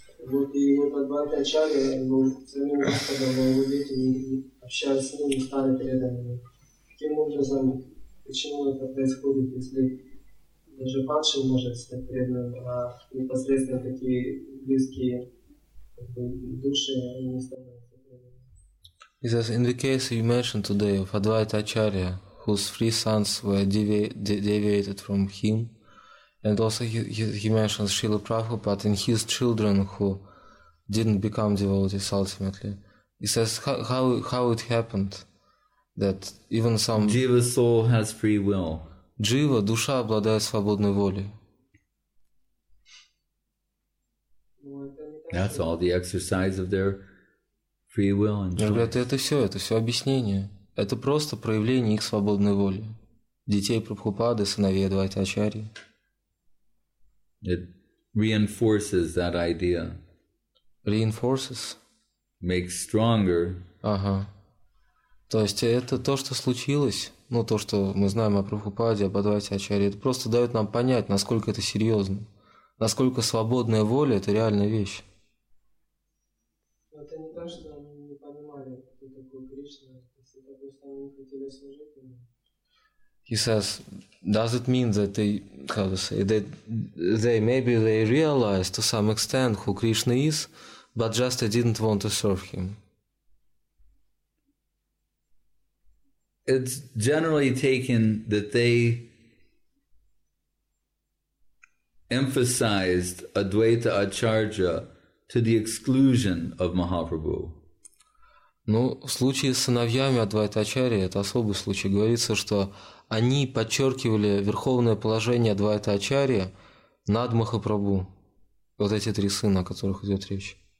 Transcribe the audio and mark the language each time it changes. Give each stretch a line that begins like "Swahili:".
Russian: Вот и вот Адвайта Ачарья, ну, самим Господом, его дети общались с ним и стали преданными. Каким образом, почему это происходит, если даже падший может стать преданным, а непосредственно такие близкие как бы, души не становятся преданными?
English: He says, in the case you mentioned today of Advaita Acharya, whose three sons were deviated from him, and also he mentions Srila Prabhupada and his children who didn't become devotees ultimately. He says how it happened that even some... Jiva soul has free will.
Russian: Jiva, душа обладает свободной волей.
English: That's all the exercise of their free will and choice.
Russian: Говорят, это все объяснение. Это просто проявление их свободной воли. Детей Прабхупады, сыновей Адвайта Ачарьи.
English: It reinforces that idea. Reinforces. Makes stronger.
Russian: Ага. То есть это то, что случилось, ну то, что мы знаем о Прабхупаде, об Адвайте Ачарье, это просто дает нам понять, насколько это серьезно, насколько свободная воля – это реальная вещь. Это не то, что они не понимали, кто такой Кришна, если это просто они не хотели служить ему.
English: He says, does it mean that they, how to say, that they maybe they realize to some extent who Krishna is, but just they didn't want to serve him? It's generally taken that they emphasized Advaita Acharya to the exclusion of Mahaprabhu.
Russian: Ну, в случае с сыновьями Адвайта Ачарьи, это особый случай, говорится, что они подчеркивали верховное положение Адвайта Ачарьи над Махапрабху. Вот эти три сына, о которых идет речь.